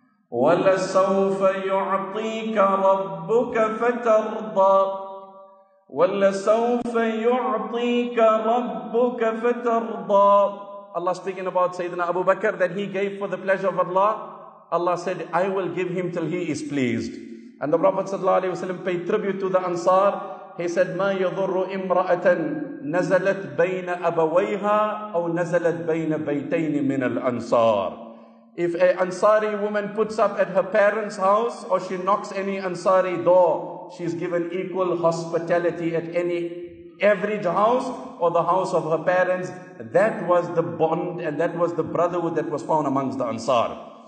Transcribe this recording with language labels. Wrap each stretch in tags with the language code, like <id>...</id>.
<ar>وَلَسَوْفَ يُعْطِيكَ رَبُّكَ فَتَرْضَى. وَلَسَوْفَ يُعْطِيكَ رَبُّكَ فَتَرْضَى.</ar> <en>Allah speaking about Sayyidina Abu Bakr that he gave for the pleasure of Allah. Allah said, I will give him till he is pleased. And the Prophet sallallahu alayhi wa sallam paid tribute to the Ansar. He said,</en> <ar>مَا يَضُرُّ إِمْرَأَةً نَزَلَتْ بَيْنَ أَبَوَيْهَا أَوْ نَزَلَتْ بَيْنَ بَيْتَيْنِ مِنَ الْأَنْصَارِ.</ar> <en>If a Ansari woman puts up at her parents' house or she knocks any Ansari door, she's given equal hospitality at any average house or the house of her parents. That was the bond and that was the brotherhood that was found amongst the Ansar.</en>